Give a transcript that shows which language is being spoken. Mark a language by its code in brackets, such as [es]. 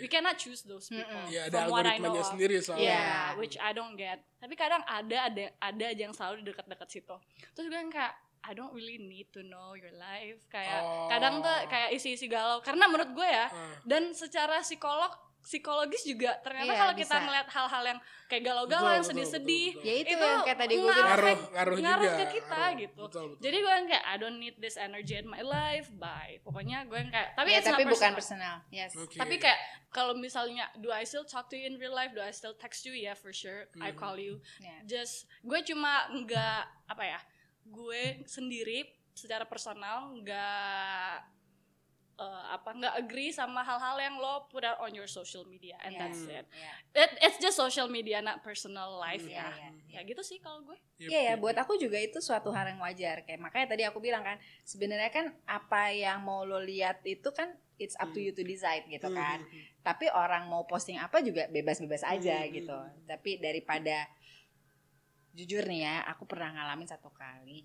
[en] We cannot choose those people. From what I know. [id] Ya, sendiri soalnya. [en] Yeah, which I don't get. [id] Tapi kadang ada aja yang selalu di dekat-dekat situ. Terus gue yang kayak, [en] I don't really need to know your life. [id] Kayak, kadang tuh kayak isi-isi galau. Karena menurut gue ya, dan secara psikologis juga ternyata kalau kita ngeliat hal-hal yang kayak galau-galau, yang sedih-sedih, itu yang kayak tadi gue ngaruh ke kita gitu. Jadi gue yang kayak [en] I don't need this energy in my life, bye. [id] Pokoknya gue yang kayak tapi bukan personal. [en] Yes. Okay. [id] Tapi kayak kalau misalnya [en] do I still talk to you in real life, do I still text you, yeah for sure, I call you. [id] Yeah. Just gue cuma enggak apa ya, gue sendiri secara personal enggak agree sama hal-hal yang lo [en] put out on your social media and that's it. It's just social media, not personal life. [id] Ya gitu sih kalau gue. Buat aku juga itu suatu hal yang wajar. Kayak makanya tadi aku bilang kan, sebenarnya kan apa yang mau lo lihat itu kan [en] it's up to you to decide [id] gitu kan. Tapi orang mau posting apa juga bebas-bebas aja gitu. Tapi daripada jujur nih ya, aku pernah ngalamin satu kali.